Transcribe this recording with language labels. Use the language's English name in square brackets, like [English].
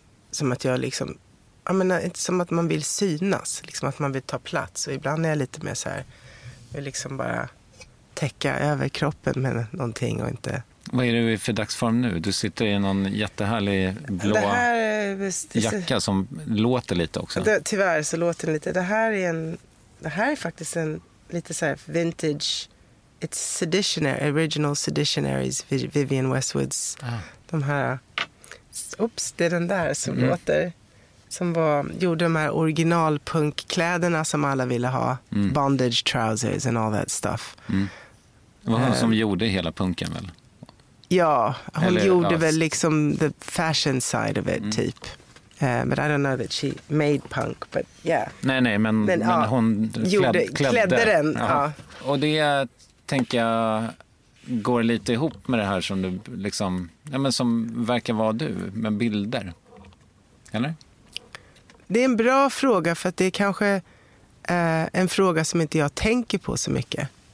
[Swedish] Som att jag liksom, jag menar, inte som att man vill synas, liksom att man vill ta plats, och ibland är jag lite mer så här, jag liksom bara täcka över kroppen med någonting och inte. Vad är du i för dagsform nu? Du sitter i någon jättehärlig blå jacka som låter lite också. Det, tyvärr så låter den lite. Det här är faktiskt en lite så här vintage. [English] It's Seditionary, original Seditionaries, Vivian Westwoods. [Swedish] Ah. De här, oops, det är den där som låter, som var, gjorde de här originalpunkkläderna som alla ville ha. Mm. [English] Bondage trousers and all that stuff. [Swedish] Det var hon som gjorde hela punken väl? Ja, hon gjorde väl liksom [English] the fashion side of it [Swedish] typ. [English] But I don't know that she made punk, but yeah. [Swedish] Nej, men hon klädde den. Ja. Och det tänker jag går lite ihop med det här som du liksom, ja, men som verkar vara du med bilder. Eller? Det är en bra fråga, för att det är kanske en fråga som inte jag tänker på så mycket.